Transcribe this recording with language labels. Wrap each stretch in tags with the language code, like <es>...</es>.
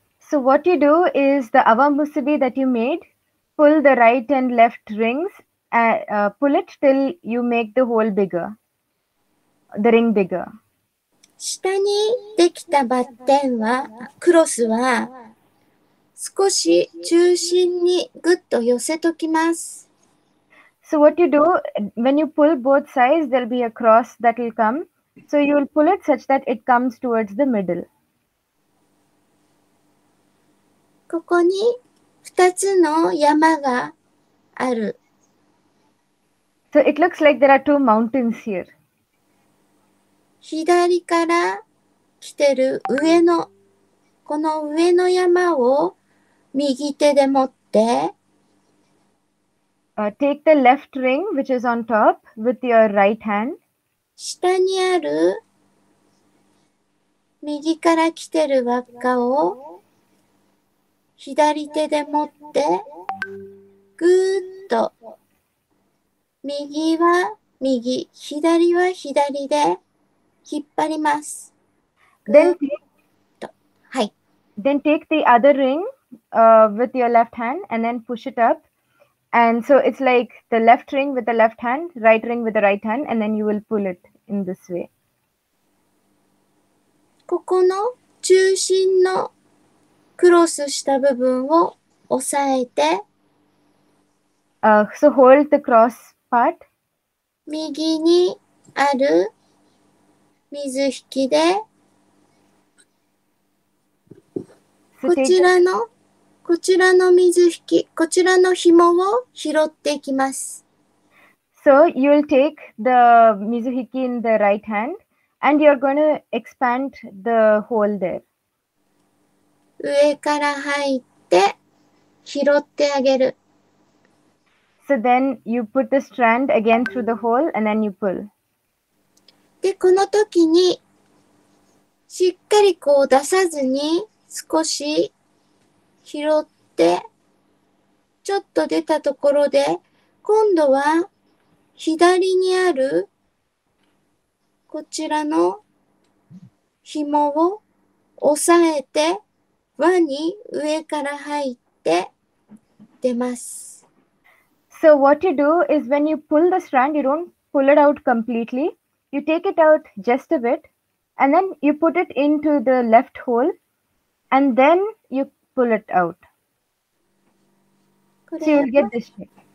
<en>So what you do is the awamusubi that you made, pull the right and left rings, pull it till you make the hole bigger, the ring bigger.</en> <ja>下にできたバッテンは、クロスは少し中心にぐっと寄せときます。</ja> <en>So what you do, when you pull both sides, there'll be a cross that will come. So you'll pull it such that it comes towards the middle.</en> <ja>ここに2つの山がある。</ja> <en>So it looks like there are two mountains here.</en> <ja>左から来てる上の、この上の山を右手で持って、</ja> <en>Take the left ring, which is on top, with your right hand.</en> <ja>下にある右から来てる輪っかを左手で持ってぐーっと右は右、左は左で引っ張ります。</ja> <en>Then</en> <ja>はい。</ja> <en>Then take the other ring, with your left hand and then push it up. And so it's like the left ring with the left hand, right ring with the right hand, and then you will pull it in this way.</en> <ja>ここの中心のクロスした部分を押さえて、</ja> <en>So hold the cross part.</en> <ja>右にある水引きで、こちらの水引き、こちらの紐を拾っていきます。</ja> <en>So you'll take the 水引き in the right hand and you're going to expand the hole there.</en> <ja>上から入って拾ってあげる。</ja> <en>So then you put the strand again through the hole and then you pull.</en> <ja>で、この時にしっかりこう出さずに少し拾って、ちょっと出たところで、今度は左にあるこちらの紐を押さえて、輪に上から入って出ます。</ja> <en>So what you do is when you pull the strand, you don't pull it out completely. You take it out just a bit, and then you put it into the left hole, and then you pull it out. So you'll get this shape.</en>